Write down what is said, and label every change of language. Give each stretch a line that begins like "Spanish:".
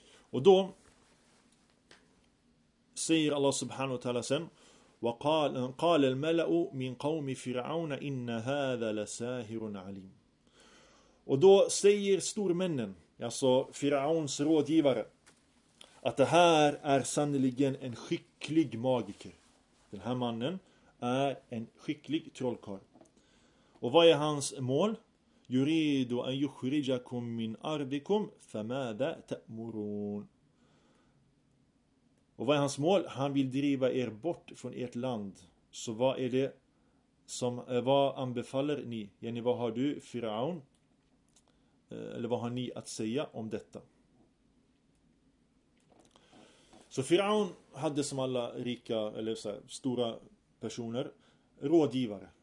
Swedish: Och då säger Allah subhanahu wa ta'ala sen:
Arabic: وقال الملأ من قوم فرعون إن هذا لساهر عليم.
Swedish: Och då säger stormännen, alltså Firauns rådgivare, att det här är sannoliken en skicklig magiker. Den här mannen är en skicklig trollkarl. Och vad är hans mål?
Arabic: يريد أن يخرجكم من أرضكم فماذا تأمرون.
Swedish: Och vad är hans mål? Han vill driva er bort från ert land. Så vad är det som, vad anbefaller ni? Jenny, vad har du, Firaun? Eller vad har ni att säga om detta? Så Firaun hade som alla rika, eller så här, stora personer, rådgivare.